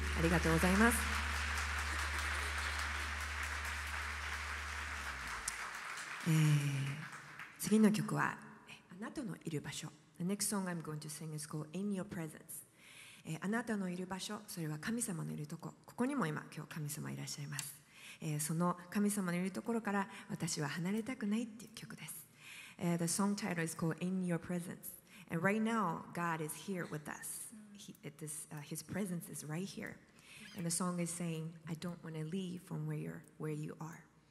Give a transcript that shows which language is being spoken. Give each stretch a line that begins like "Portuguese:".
Japanese: ありがとうございます。次の曲はあなたのいる場所。
English: The next song I'm going to sing is called In Your Presence.
Japanese: あなたのいる場所、それは神様のいるとこ。ここにも今、今日神様いらっしゃいます。その神様のいるところから私は離れたくないっていう曲です。
English: The song title is called In Your Presence. And right now, God is here with us. His presence is right here. And the song is saying, I don't want to leave from where you are.